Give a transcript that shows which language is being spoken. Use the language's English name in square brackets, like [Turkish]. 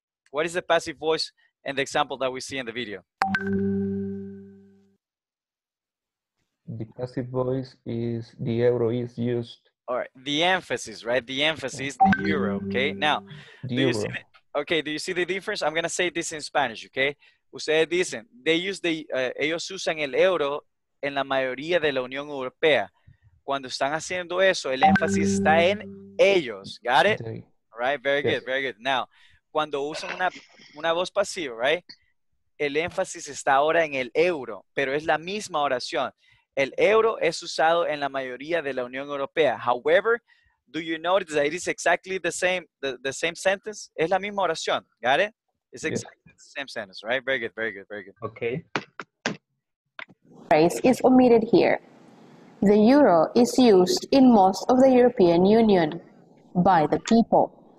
[English] What is the passive voice in the example that we see in the video? The passive voice is the euro is used. All right, the emphasis, right? The emphasis, the euro, okay? Now, do you see the difference? I'm going to say this in Spanish, okay? [Spanish] Ustedes dicen, ellos usan el euro en la mayoría de la Unión Europea. Cuando están haciendo eso, el énfasis está en ellos. [English] Got it? All right, very good. Now, [Spanish] cuando usan una voz pasiva, [English] right? [Spanish] El énfasis está ahora en el euro, pero es la misma oración. El euro es usado en la mayoría de la Unión Europea. [English] However, do you notice that it is exactly the same sentence? [Spanish] Es la misma oración. [English] Got it? It's exactly the same sentence, right? Very good. Okay. Phrase is omitted here. The euro is used in most of the European Union by the people.